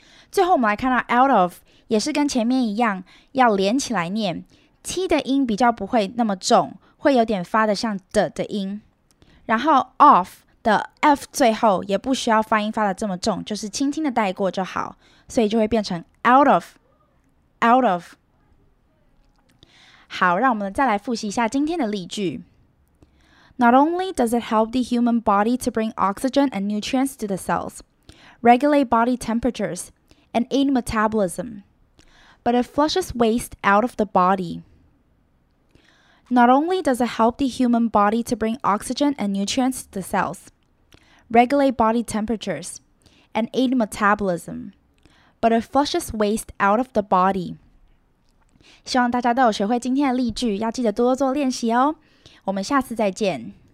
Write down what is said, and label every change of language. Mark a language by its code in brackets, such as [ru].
[zh] 最后我们来看到 [en] out of, [zh] 也是跟前面一样要连起来念， T 的音比较不会那么重，会有点发得像 的 的音。然后 off 的 F 最后也不需要发音发得这么重，就是轻轻的带过就好，所以就会变成 [en] out of, out of. [zh] 好，让我们再来复习一下今天的例句。 [en] Not only does it help the human body to bring oxygen and nutrients to the cells, regulate body temperaturesand aid metabolism, but it flushes waste out of the body. Not only does it help the human body to bring oxygen and nutrients to the cells, regulate body temperatures, and aid metabolism, but it flushes waste out of the body. [zh] 希望大家都有学会今天的例句，要记得多多做练习哦。我们下次再见。